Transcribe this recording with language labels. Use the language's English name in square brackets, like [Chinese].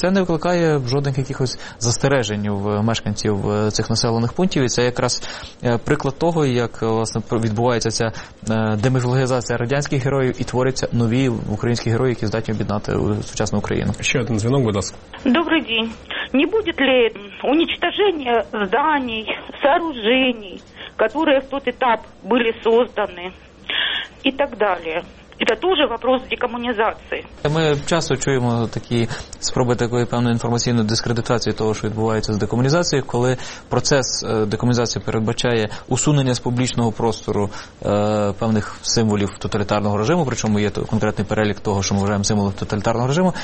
[Ukrainian] Це не викликає жодних якихось застережень в мешканців цих населених пунктів. І це якраз приклад того, як власне відбувається ця демифологізація радянських героїв і творяться нові українські герої, які здатні об'єднати сучасну Україну. Ще один дзвінок, будь ласка. Добрий день. [Russian] Не буде ли уничтожение зданий, сооружений, которые в тот этап были созданы и так далее? [Ukrainian] Це теж вопрос декомунізації. Ми часто чуємо такі спроби такої певної інформаційної дискредитації того, що відбувається з декомунізацією, коли процес декомунізації передбачає усунення з публічного простору певних символів тоталітарного режиму, причому є конкретний перелік того, що ми вважаємо символом тоталітарного режиму.